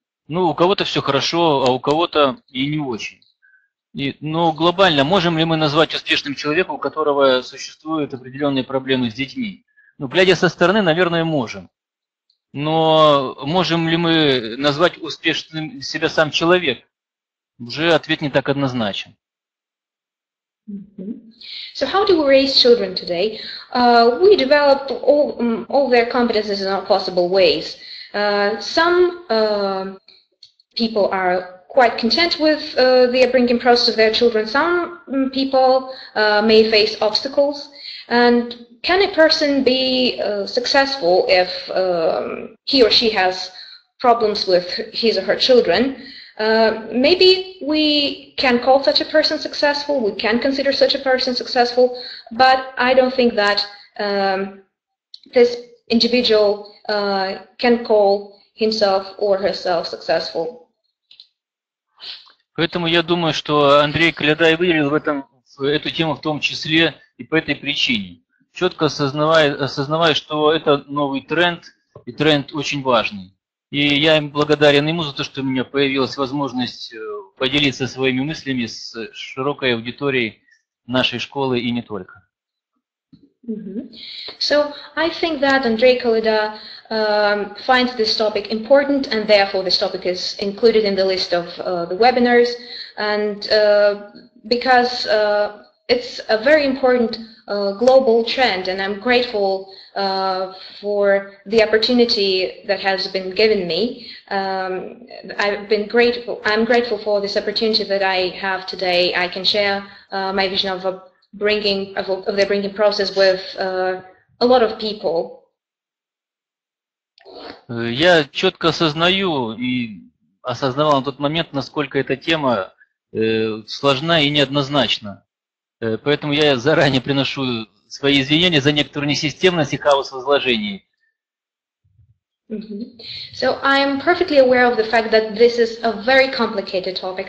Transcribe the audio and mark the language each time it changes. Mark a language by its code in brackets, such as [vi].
[ru] Ну, у кого-то все хорошо, а у кого-то и не очень. Но глобально, можем ли мы назвать успешным человека, у которого существуют определенные проблемы с детьми? Ну, глядя со стороны, наверное, можем. Но можем ли мы назвать успешным себя сам человек? Уже ответ не так однозначен. [en] So how do we raise children today? We develop all their competences in all possible ways. Some people are quite content with the upbringing process of their children. Some people may face obstacles. And can a person be successful if he or she has problems with his or her children? Maybe we can call such a person successful, we can consider such a person successful, but I don't think that this individual can call himself or herself successful. [ru] Поэтому я думаю, что Андрей Коляда и выделил в этом эту тему в том числе и по этой причине, четко осознавая, что это новый тренд, и тренд очень важный. И я им благодарен ему за то, что у меня появилась возможность поделиться своими мыслями с широкой аудиторией нашей школы и не только. [en] So I think that Andrei Koleda finds this topic important, and therefore this topic is included in the list of the webinars, and because it's a very important global trend, and I'm grateful for the opportunity that has been given me. I'm grateful for this opportunity that I have today. I can share my vision of the upbringing process with a lot of people. [ru] Я четко осознаю и осознавал на тот момент, насколько эта тема сложна и неоднозначна. Поэтому я заранее приношу свои извинения за некоторую несистемность и хаос в изложении. [en] So I'm perfectly aware of the fact that this is a very complicated topic.